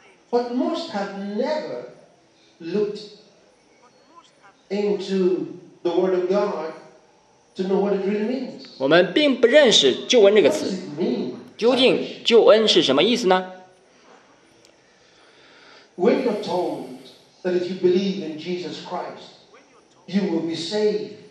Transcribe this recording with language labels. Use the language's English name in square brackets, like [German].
[English] But most have never looked into the Word of God to know what it really means. [Chinese] 我们并不认识救恩这个词。究竟救恩是什么意思呢？ [English] When you're told that if you believe in Jesus Christ, you will be saved.